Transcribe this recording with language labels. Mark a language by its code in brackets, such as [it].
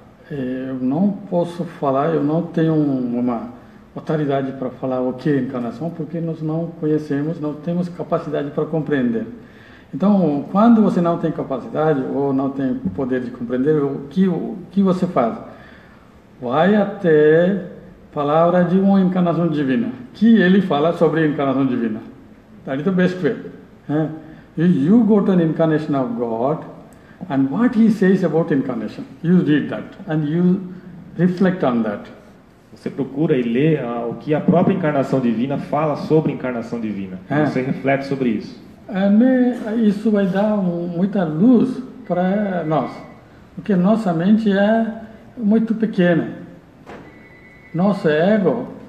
[pt] Eu não posso falar, eu não tenho uma autoridade para falar o que é encarnação, porque nós não conhecemos, não temos capacidade para compreender. Então, quando você não tem capacidade ou não tem poder de compreender, o que você faz? Vai até a palavra de uma encarnação divina, que ele fala sobre a encarnação divina. [en] That is the best way. You go to an incarnation of God, and what he says about incarnation, you read that, and you reflect on that. [pt] Você procura e lê o que a própria encarnação divina fala sobre a encarnação divina. Você reflete sobre isso. Isso vai dar muita luz para nós, porque nossa mente é muito pequena, nosso ego